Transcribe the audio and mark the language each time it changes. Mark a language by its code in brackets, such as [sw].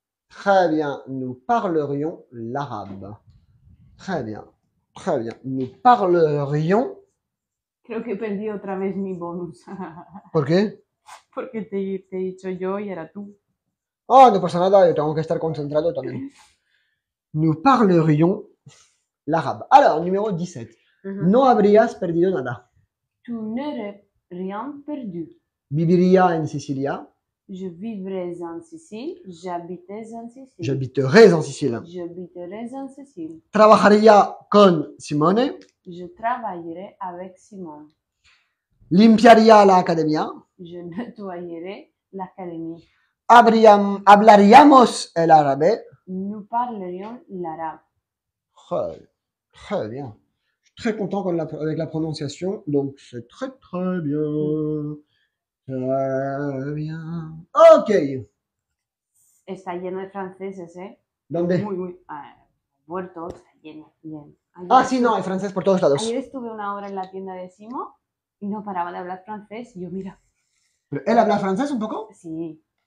[fr] Très bien, nous parlerions l'arabe. Très bien, très bien. Nous parlerions. [es] Creo que perdí otra vez mi bonus. ¿Por qué? Porque te he dicho yo y era tú. Oh, no pasa nada, yo tengo que estar concentrado también. [fr] Nous parlerions l'arabe. [es] Alors, número 17. No habrías perdido nada. [fr] Tu n'aurais rien perdu. [es] Viviría en Sicilia. [fr] Je vivrais en Sicile. J'habitais en Sicile. J'habiterais en Sicile. J'habiterais en Sicile. [es] Trabajaría con Simone. [fr] Je travaillerai avec Simon. [es] Limpiaría la academia. [fr] Je nettoyerai l'académie. [es] Hablaríamos el árabe. [fr] Nous parlerions l'arabe. Très bien. Je suis très content con avec la prononciation. Donc, c'est très, très bien. Très bien. Ok. [es] Está lleno de franceses, ¿eh? ¿Dónde? Muy, muy. Puerto, está lleno, lleno. Ayer sí, no, hay francés por todos lados. Ayer estuve una hora en la tienda de Simo y no paraba de hablar francés y yo, mira. ¿Pero él habla francés un poco? Sí.